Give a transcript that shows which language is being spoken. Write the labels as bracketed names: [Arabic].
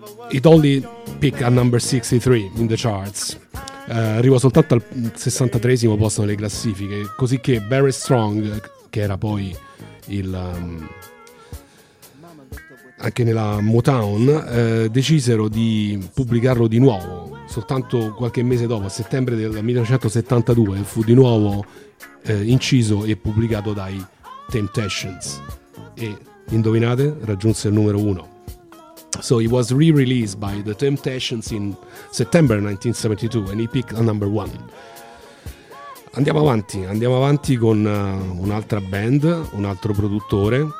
[English] It only picked a number 63 in the charts. [Italian] Arrivò soltanto al 63esimo posto nelle classifiche, così che Barry Strong, che era poi il anche nella Motown, decisero di pubblicarlo di nuovo soltanto qualche mese dopo, a settembre del 1972, fu di nuovo inciso e pubblicato dai Temptations e, indovinate, raggiunse il numero 1. [English] So it was re-released by the Temptations in September 1972 and he picked a number 1. [Italian] Andiamo avanti con un'altra band, un altro produttore.